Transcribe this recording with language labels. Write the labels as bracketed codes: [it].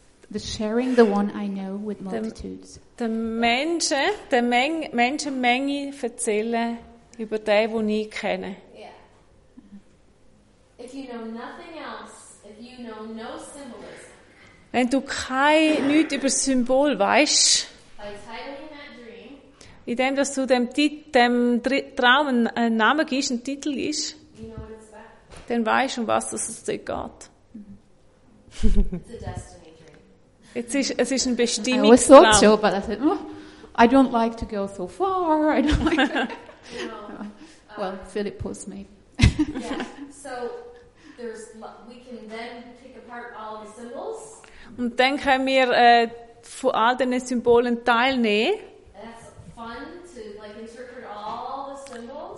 [en] The sharing the one I know with multitudes. [de] Der Menschen, der Menschenmenge erzählen über den, den ich kenne. [en] Yeah. If you know nothing else, if you know no symbolism. [de] Wenn du kein nichts über Symbol weißt, [en] by titling that dream, [de] indem dass du dem Traum einen Namen gibst, einen Titel gibst, [en] you know what it's about. [de] Dann weißt du, um was es dort geht. [en] Mm-hmm. It's a [de] Es ist ein bestimmtes. [en] I always thought so, but I said, I don't like to go so far. I don't like. No. Well, Philip pulls me. Yeah. So we can then pick apart all the symbols. [de] Und dann können wir von all den Symbolen teilnehmen. [en] That's fun to like interpret all the symbols.